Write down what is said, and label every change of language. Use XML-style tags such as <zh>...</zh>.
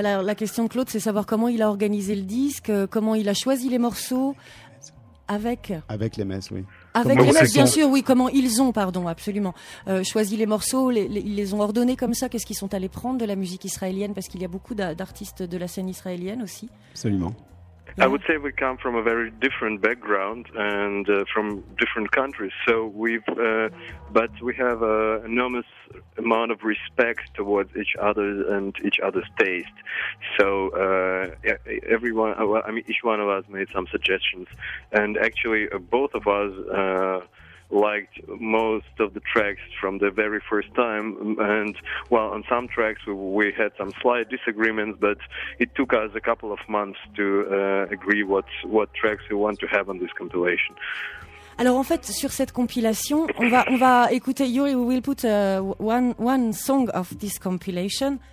<fr>Voilà, la question de Claude, c'est savoir comment il a organisé le disque, comment il a choisi les morceaux avec les messes, oui. Avec les messes, bien sûr, oui. Comment ils ont, absolument, choisi les morceaux, ils les ont ordonnés comme ça. Qu'est-ce qu'ils sont allés prendre de la musique israélienne? Parce qu'il y a beaucoup d'artistes de la scène israélienne aussi. Absolument.</fr> <en>I would say we come from a very different background and from different countries. So but we have an enormous amount of respect towards each other and each other's taste. So each one of us made some suggestions, and actually both of us liked most of the tracks from the very first time. And well, on some tracks we had some slight disagreements, but it took us a couple of months to agree what tracks we want to have on this compilation.</en> <fr>Alors en fait, sur cette compilation, on va écouter Yuri.</fr> <en>We will put one song of this compilation.</en>